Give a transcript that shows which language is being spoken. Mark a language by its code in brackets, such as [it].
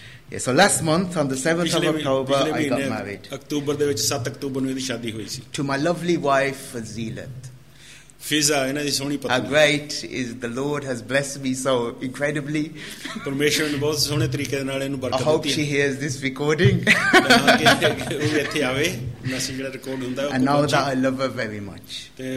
[en] Yeah, so last month on the 7th of October I got married. [pa] October ਦੇ ਵਿੱਚ 7 October ਨੂੰ ਇਹਦੀ ਸ਼ਾਦੀ ਹੋਈ ਸੀ. [en] To my lovely wife Fazilat. [pa] Fiza, ਇਹਨਾਂ ਦੀ ਸੋਹਣੀ ਪਤਨੀ. [en] How great is the Lord has blessed me so incredibly. [pa] ਪਰਮੇਸ਼ਰ ਨੇ ਬਹੁਤ ਸੋਹਣੇ ਤਰੀਕੇ ਨਾਲ ਇਹਨੂੰ ਬਰਕਤ ਦਿੱਤੀ. [en] I hope she hears this recording. [pa] ਉਹ ਵੀ ਇੱਥੇ ਆਵੇ. [en] And now that I love her very much.